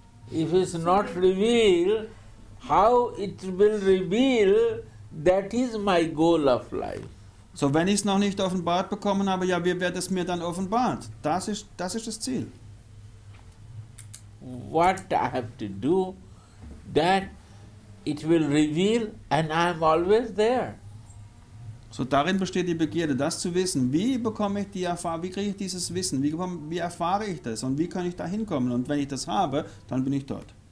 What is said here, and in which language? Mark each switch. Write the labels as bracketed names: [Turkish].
[English] If it's not revealed, how it will reveal, that is my goal of life. [German] So, wenn ich es noch nicht offenbart bekommen habe, ja, wie wird es mir dann offenbart? Das ist das Ziel. [English] What I have to do, that it will reveal and I am always there. [German] So darin besteht die Begierde, das zu wissen. Wie bekomme ich die Erfahrung? Wie kriege ich dieses Wissen? Wie erfahre ich das? Und wie kann ich da hinkommen? Und wenn ich das habe, dann bin ich dort.